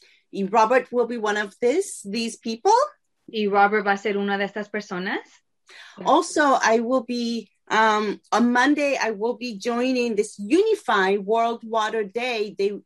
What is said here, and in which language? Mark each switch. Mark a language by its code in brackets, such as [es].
[en] Y Robert will be one of these people. [es] Y Robert va a ser una de estas personas. [en] Also, I will be, on Monday, I will be joining this Unify World Water Day.